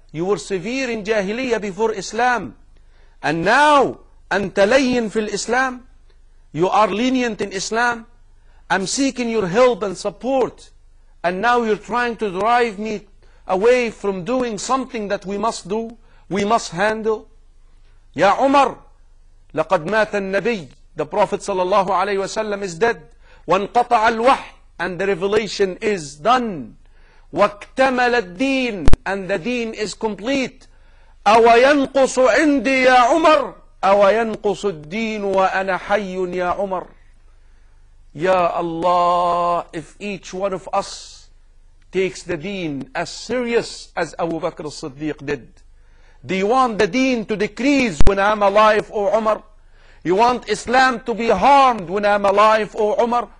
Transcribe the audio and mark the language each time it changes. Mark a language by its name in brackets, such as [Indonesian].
[English] You were severe in jahiliyyah before Islam. And now, [Arabic] أَنْتَ لَيِّن فِي الْإِسْلَامِ. [English] You are lenient in Islam. I'm seeking your help and support, and now you're trying to drive me away from doing something that we must do, we must handle. [Arabic] Ya Umar, لقد مات النبي. [English] The Prophet sallallahu alayhi wa sallam is dead. [Arabic] وانقطع الوحي. [English] And the revelation is done. [Arabic] واكتمل الدين. [English] And the deen is complete. [Arabic] أو ينقص عندي يا عمر. أو ينقص الدين وأنا حي يا عمر. [English] Ya Allah, if each one of us takes the deen as serious as Abu Bakr al-Siddiq did, do you want the deen to decrease when I'm alive, O Umar? You want Islam to be harmed when I'm alive, O Umar?